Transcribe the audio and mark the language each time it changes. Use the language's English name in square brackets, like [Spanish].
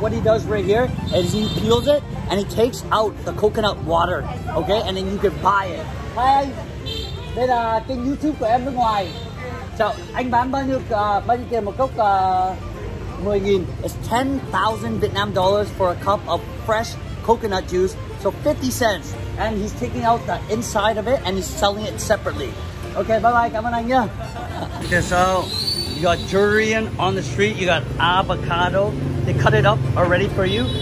[English] What he does right here is he peels it and he takes out the coconut water, okay? And then you can buy it. Hi. [Vietnamese] Đây là kênh YouTube của em nước ngoài. Chào, anh bán bao nhiêu tiền một cốc 10.000. [English] It's 10,000 Vietnam dollars for a cup of fresh coconut juice. So 50 cents. And he's taking out the inside of it and he's selling it separately. Okay, bye-bye. [Vietnamese] Cảm ơn anh nha. [English] Okay, so you got durian on the street. You got avocado. They cut it up already for you.